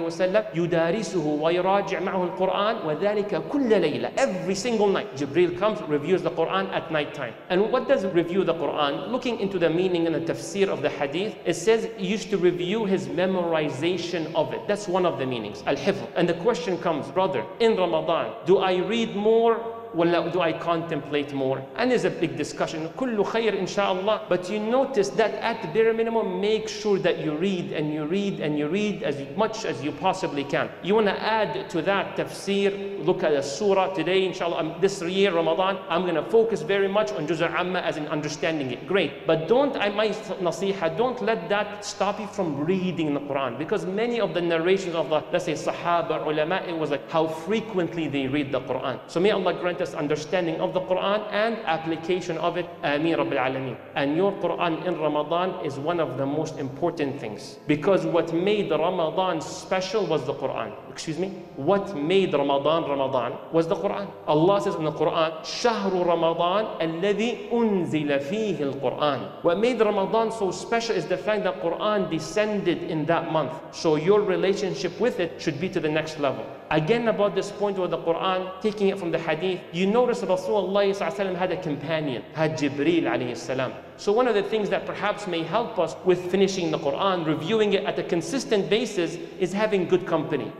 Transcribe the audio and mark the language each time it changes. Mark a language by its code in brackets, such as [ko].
[ar] وسلم يدارسه ويراجع معه القرآن وذلك كل ليلة. [en] Every single night, Jibril comes, reviews the Quran at night time. And what does review the Quran? Looking into the meaning and the tafsir of the hadith, it says he used to review his memorization of it. That's one of the meanings, al-hifz. And the question comes, brother, in Ramadan, do I read more? Well, do I contemplate more? And there's a big discussion. [ar] كله خير إن شاء الله. [en] But you notice that at bare minimum, make sure that you read and you read and you read as much as you possibly can. You want to add to that tafsir, look at a surah today, inshallah, this year, Ramadan, I'm going to focus very much on Juz' al-Amma as in understanding it. Great. But don't, my nasiha, don't let that stop you from reading the Quran. Because many of the narrations of the, let's say, sahaba, ulama, it was like how frequently they read the Quran. So may Allah grant us understanding of the Quran and application of it. Ameen Rabbil Alameen. And your Quran in Ramadan is one of the most important things. Because what made Ramadan special was the Quran. Excuse me? What made Ramadan Ramadan was the Quran. Allah says in the Quran, [ar] شهر رمضان الذي أنزل فيه القرآن. [en] What made Ramadan so special is the fact that Quran descended in that month. So your relationship with it should be to the next level. Again, about this point with the Quran, taking it from the hadith, you notice Rasulullah ﷺ had a companion, had Jibreel عليه السلام. So one of the things that perhaps may help us with finishing the Quran, reviewing it at a consistent basis, is having good company.